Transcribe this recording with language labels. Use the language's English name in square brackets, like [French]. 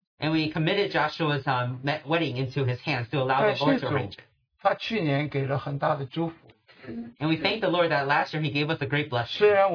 [English] And we committed Joshua's wedding into his hands to allow the Lord to arrange it. [Chinese] 他去年给了很大的祝福。 [English] And we thank the Lord that last year He gave us a great blessing.